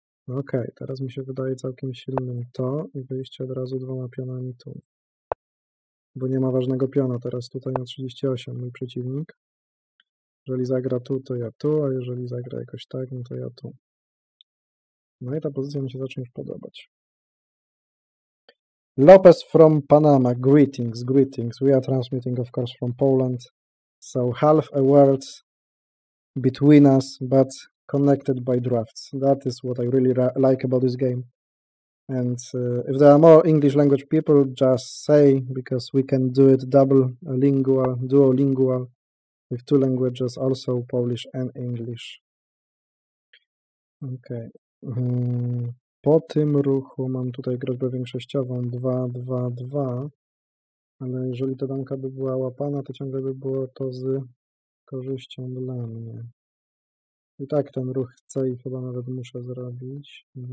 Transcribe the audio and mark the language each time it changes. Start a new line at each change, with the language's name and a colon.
Polish: Okej, okay, teraz mi się wydaje całkiem silnym to i wyjście od razu dwoma pionami tu. Bo nie ma ważnego piona teraz tutaj na 38, mój przeciwnik. Jeżeli zagra tu, to ja tu, a jeżeli zagra jakoś tak, no to ja tu. No i ta pozycja mi się zacznie już podobać.
English: Lopez from Panama. Greetings, greetings. We are transmitting, of course, from Poland. So half a world between us, but connected by drafts. That is what I really like about this game. And if there are more English language people, just say, because we can do it double lingual, duolingual, with two languages, also Polish and English. Okay.
Polish: Po tym ruchu mam tutaj groźbę większościową 2-2-2, ale jeżeli ta danka by była łapana, to ciągle by było to z korzyścią dla mnie. I tak ten ruch chcę i chyba nawet muszę zrobić.